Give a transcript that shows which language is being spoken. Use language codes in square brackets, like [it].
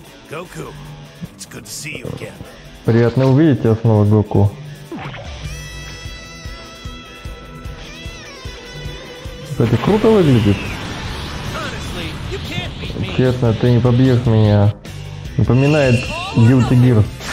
[en] Goku, it's good to see you again. [ru] Приятно увидеть тебя снова, Goku. Кстати, круто выглядит. Честно, ты не побьешь меня. Напоминает Guilty Gear.